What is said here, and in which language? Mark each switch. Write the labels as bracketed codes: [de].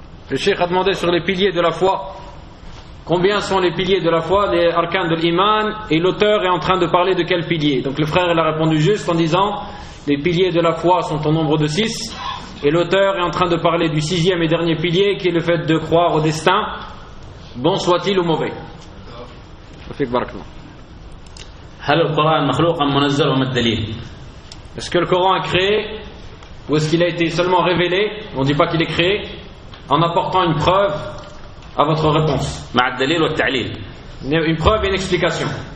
[fr] Le cheikh a demandé sur les piliers de la foi. Combien sont les piliers de la foi, les arcanes de l'iman? Et l'auteur est en train de parler de quel pilier? Donc le frère il a répondu juste en disant les piliers de la foi sont au nombre de 6. Et l'auteur est en train de parler du sixième et dernier pilier qui est le fait de croire au destin, bon soit-il ou mauvais. [ar] هل القرآن مخلوق أم منزل وما الدليل؟ [fr] Est-ce que le Coran est créé ou est-ce qu'il a été seulement révélé? On dit pas qu'il est créé en apportant une preuve à votre réponse. [ar] مع الدليل والتعليل. [fr] Une preuve et une explication.